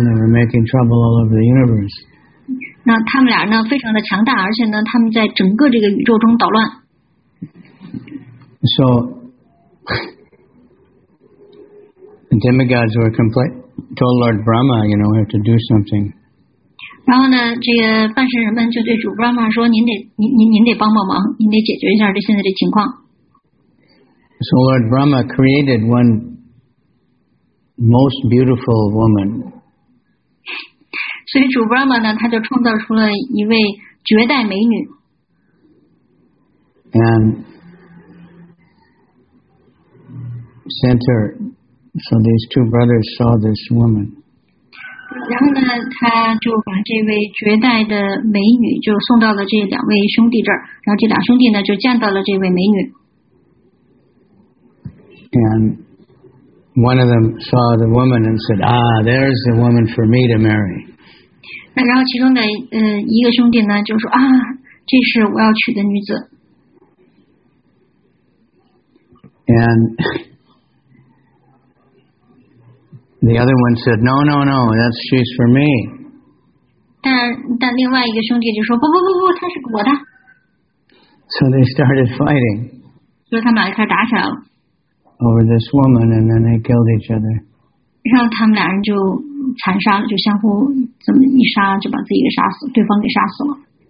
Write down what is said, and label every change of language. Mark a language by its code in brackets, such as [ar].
[en] They were making trouble all over the universe. [zh] 那他们俩呢非常的强大，而且呢他们在整个这个宇宙中捣乱。 [en] So, the demigods were told Lord Brahma, you know, we have to do something. [zh] 然后呢，这个半神人们就对主 Brahma 说：“您得帮帮忙，您得解决一下这现在的情况。” [en] So Lord Brahma created one most beautiful woman. [zh] 所以主 Brahma 呢，他就创造出了一位绝代美女。 [en] And sent her, so these two brothers saw this woman. [zh] 然后呢，他就把这位绝代的美女就送到了这两位兄弟这儿，然后这俩兄弟呢就见到了这位美女。 [en] And one of them saw the woman and said, "Ah, there's the woman for me to marry." [zh] 那然后其中的一个兄弟呢就说啊，这是我要娶的女子。 [en] And the other one said, "No, no, no. That's she's for me." [zh] 但另外一个兄弟就说不不不不，她是我的。 [en] So they started fighting. [zh] 所以他们俩开始打起来了。 [en] Over this woman, and then they killed each other. [zh] 然后他们俩人就残杀了，就相互这么一杀，就把自己给杀死，对方给杀死了。